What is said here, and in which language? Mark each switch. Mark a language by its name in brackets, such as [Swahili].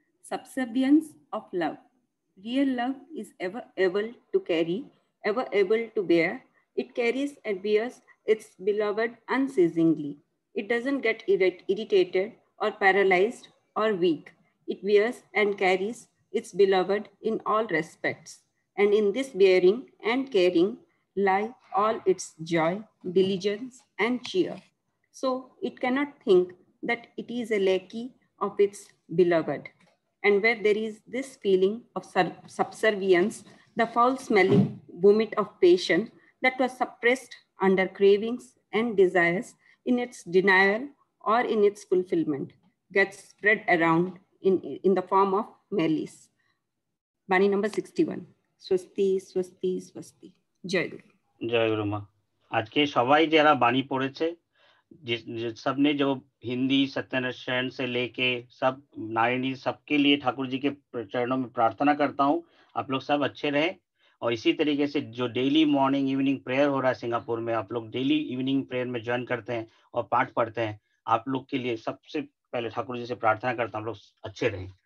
[English] Subservience of love, real love is ever able to carry, ever able to bear, it carries and bears its beloved unceasingly, it doesn't get irritated or paralysed or weak, it bears and carries its beloved in all respects, and in this bearing and caring lie all its joy, diligence and cheer. So it cannot think that it is a lackey of its beloved. And where there is this feeling of subservience, the foul smelling vomit of passion that was suppressed under cravings and desires in its denial or in its fulfillment gets spread around in the form of malice. Bani number 61. [Bangla] স্বস্তি স্বস্তি স্বস্তি। জয় গুরু। [Hindi] जय गुरु मा। आज के सबाई जरा बानी पड़े छे जिस सबने जो हिंदी सत्यनारायण से लेके सब नारायणी सबके लिए ठाकुर जी के चरणों में प्रार्थना करता हूँ, आप लोग सब अच्छे रहे। और इसी तरीके से जो डेली मॉर्निंग इवनिंग प्रेयर हो रहा है सिंगापुर में, आप लोग डेली इवनिंग प्रेयर में ज्वाइन करते हैं और पाठ पढ़ते हैं, आप लोग के लिए सबसे पहले ठाकुर जी से प्रार्थना करता हूँ आप लोग अच्छे रहे।